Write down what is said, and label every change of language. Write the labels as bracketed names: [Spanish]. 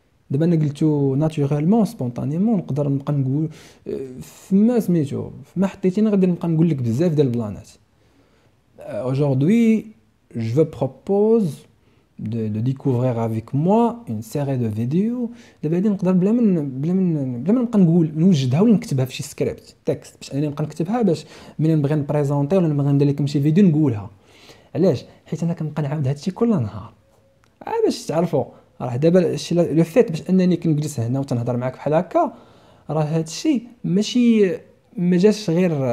[Arabic] دابا انا قلتو ناتوريلمون سبونطانيمون نقدر نبقى نقول فما سميتو فما حطيتيني غادي نبقى نقول لك بزاف ديال البلانات. [French] aujourd'hui je vous propose de découvrir avec moi une série de vidéos. [Arabic] دابا غادي نقدر بلا من نبقى نقول نوجدها ولا نكتبها في شي سكريبت تكست باش انا نبقى نكتبها باش ملي نبغي نبريزونتي ولا نبغي ندير لكم شي فيديو نقولها. علاش؟ حيت انا كنبقى نعاود هادشي كل نهار باش تعرفوا، راه دابا الشيء لو فيت باش انني كنجلس هنا وتنهضر معاك بحال هكا راه هذا الشيء ماشي ما جاش غير